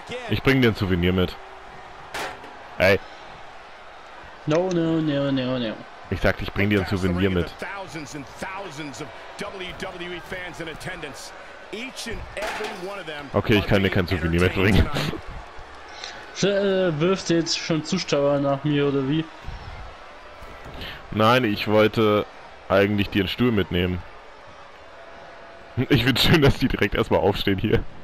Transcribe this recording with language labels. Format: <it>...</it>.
<de>Ich bring dir ein Souvenir mit. Ey.</de> <en>No, no, no, no, no.</en> <de>Ich sagte, ich bring dir ein Souvenir mit.</de> <en>Thousands and thousands of WWE fans in attendance. Each and every one of them.</en> <de>Okay, ich kann dir kein Souvenir mitbringen. Wirft jetzt schon Zuschauer nach mir oder wie? Nein, ich wollte eigentlich dir einen Stuhl mitnehmen. Ich finde schön, dass die direkt erstmal aufstehen hier.</de>